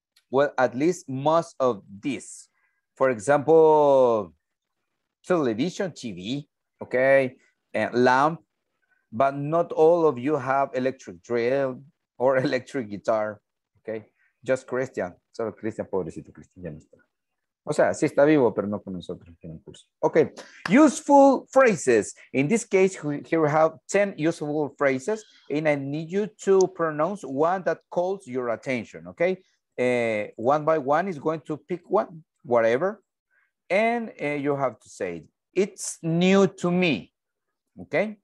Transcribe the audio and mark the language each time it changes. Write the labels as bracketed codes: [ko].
[en] Well, at least most of these. For example, television, TV, okay, and lamp. But not all of you have electric drill or electric guitar, okay? [es] Just Christian. Solo Christian, pobrecito Christian, ya no está. O sea, sí está vivo, pero no con nosotros en el curso. [en] Okay, useful phrases. In this case, here we have 10 useful phrases, and I need you to pronounce one that calls your attention, okay? One by one is going to pick one, whatever, and you have to say, it's new to me, okay?